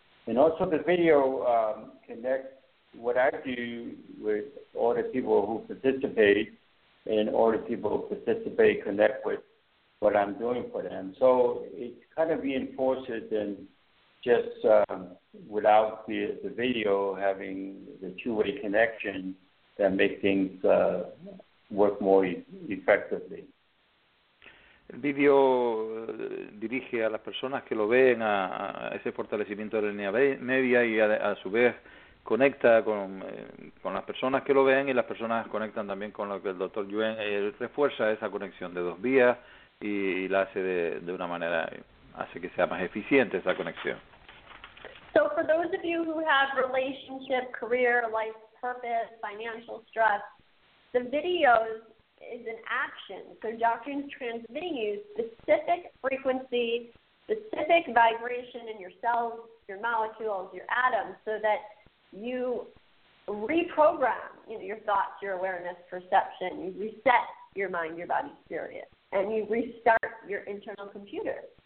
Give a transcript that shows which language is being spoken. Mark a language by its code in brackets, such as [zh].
[en] And also the video connects what I do with all the people who participate and all the people who participate connect with what I'm doing for them. So it kind of reinforces and just without the video having the two-way connection that makes things work more effectively. [es] El vídeo dirige a las personas que lo ven a ese fortalecimiento de la línea media y a su vez conecta con las personas que lo ven, y las personas conectan también con lo que el doctor Yuen, refuerza esa conexión de dos vías y la hace de una manera, hace que sea más eficiente esa conexión. [en] So for those of you who have relationship, career, life purpose, financial stress, the videos is an action. So Dr. Yuen's transmitting you specific frequency, specific vibration in your cells, your molecules, your atoms, so that you reprogram, you know, your thoughts, your awareness, perception, you reset your mind, your body, spirit, and you restart your internal computer.